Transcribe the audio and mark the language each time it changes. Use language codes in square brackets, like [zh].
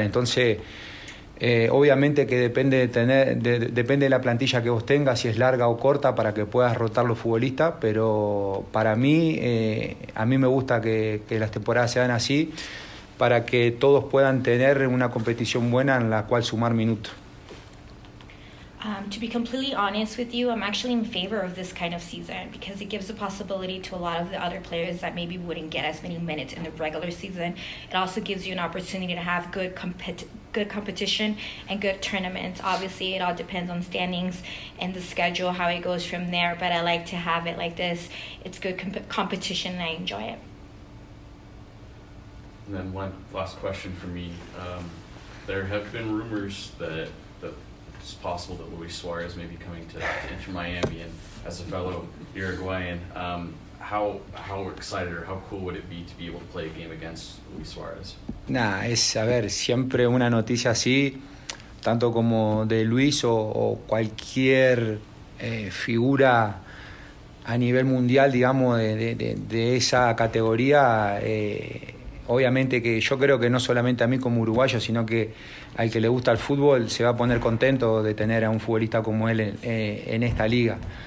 [es] Entonces, obviamente que depende de la plantilla que vos tengas, si es larga o corta, para que puedas rotar los futbolistas, pero para mí, a mí me gusta que las temporadas sean así, para que todos puedan tener una competición buena en la cual sumar minutos. [en] To be completely honest with you, I'm actually in favor of this kind of season because it gives a possibility to a lot of the other players that maybe wouldn't get as many minutes in the regular season. It also gives you an opportunity to have good competition and good tournaments. Obviously, it all depends on standings and the schedule, how it goes from there, but I like to have it like this. It's good competition and I enjoy it. And then one last question for me. There have been rumors that it's possible that Luis Suarez may be coming to Inter Miami, and as a fellow Uruguayan, how excited or how cool would it be to be able to play a game against Luis Suarez? [es] Nah, siempre una noticia así, tanto como de Luis o cualquier figura a nivel mundial, digamos, de esa categoría. Obviamente que yo creo que no solamente a mí como uruguayo, sino que al que le gusta el fútbol se va a poner contento de tener a un futbolista como él en esta liga.